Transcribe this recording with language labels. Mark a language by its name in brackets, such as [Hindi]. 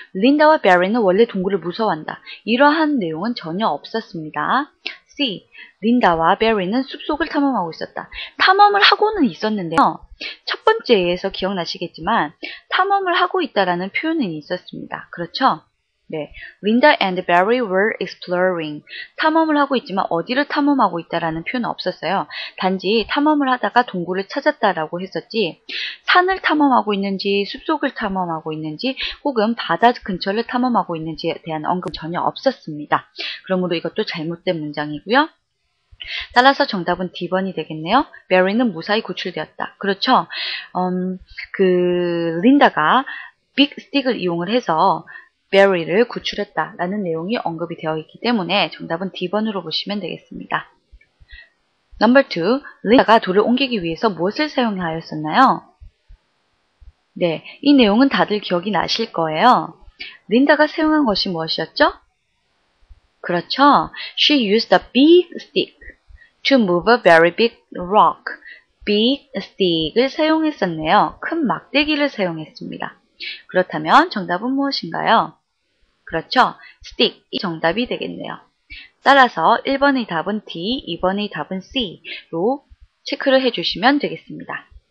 [Korean] 린다와 Barry는 원래 동굴을 무서워한다. 이러한 내용은 전혀 없었습니다. C. 린다와 Barry는 숲속을 탐험하고 있었다. 탐험을 하고는 있었는데요. 첫 번째에서 기억나시겠지만 탐험을 하고 있다라는 표현은 있었습니다. 그렇죠? [English] 네, Linda and Barry were exploring. [Korean] 탐험을 하고 있지만 어디를 탐험하고 있다라는 표현은 없었어요. 단지 탐험을 하다가 동굴을 찾았다라고 했었지 산을 탐험하고 있는지 숲속을 탐험하고 있는지 혹은 바다 근처를 탐험하고 있는지에 대한 언급은 전혀 없었습니다. 그러므로 이것도 잘못된 문장이고요. 따라서 정답은 D번이 되겠네요. Barry는 무사히 구출되었다. 그렇죠. 그 린다가 빅 스틱을 이용을 해서 Barry를 구출했다라는 내용이 언급이 되어 있기 때문에 정답은 D번으로 보시면 되겠습니다. [English] Number 2. [Korean] 린다가 돌을 옮기기 위해서 무엇을 사용하였었나요? 네, 이 내용은 다들 기억이 나실 거예요. 린다가 사용한 것이 무엇이었죠? 그렇죠. [English] She used a big stick to move a very big rock. [Korean] Big stick을 사용했었네요. 큰 막대기를 사용했습니다. 그렇다면 정답은 무엇인가요? 그렇죠. stick 이 정답이 되겠네요. 따라서 1번의 답은 D, 2번의 답은 C로 체크를 해주시면 되겠습니다.